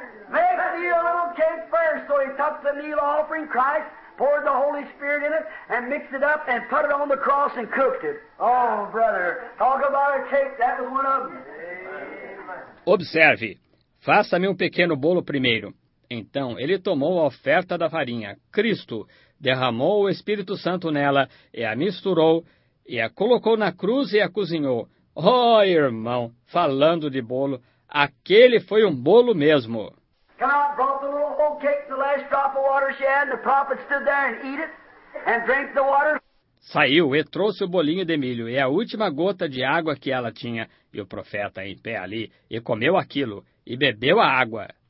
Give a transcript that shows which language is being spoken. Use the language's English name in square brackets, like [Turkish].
[English] Make me a little cake first, so he took the meal offering, Christ, poured the Holy Spirit in it, and mixed it up, and put it on the cross and cooked it. Oh, brother, talk about a cake, that was one of them. Observe. [Portuguese] Faça-me um pequeno bolo primeiro. Então, ele tomou a oferta da farinha, Cristo, derramou o Espírito Santo nela e a misturou e a colocou na cruz e a cozinhou. Oh, irmão, falando de bolo, aquele foi um bolo mesmo. [English] Come out, brought the little old cake, the last drop of water she had, and the prophet stood there and eat it and drank the water. [Portuguese] Saiu e trouxe o bolinho de milho e a última gota de água que ela tinha, e o profeta em pé ali, e comeu aquilo, e bebeu a água.